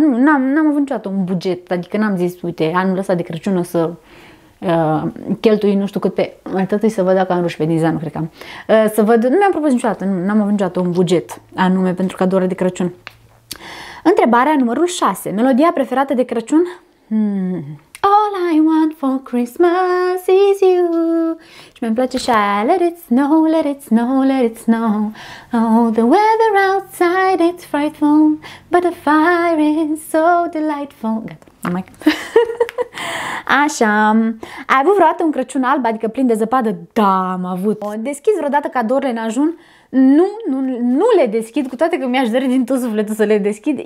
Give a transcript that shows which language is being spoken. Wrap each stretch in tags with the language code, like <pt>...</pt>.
<ro>N-am avut niciodată un buget, adică n-am zis, uite, anul ăsta de Crăciun o să cheltui nu știu cât pe... Mai tătăi să văd dacă am rușpe din zi, nu cred că am. Să văd, nu mi-am propus niciodată, n-am avut niciodată un buget anume pentru cadourile de Crăciun. Întrebarea numărul 6. Melodia preferată de Crăciun?</ro> <en>All I want for Christmas is you.</en> <ro>Și mi-mi place și aia.</ro> <en>Let it snow, let it snow, let it snow. Oh, the weather outside it's frightful, but the fire is so delightful.</en> <ro>Gata, numai. Așa. Ai avut vreodată un Crăciun alb, adică plin de zăpadă? Da, am avut. Deschizi vreodată cadourile în ajun? Nu le deschid, cu toate că mi-aș dori din tot sufletul să le deschid.</ro>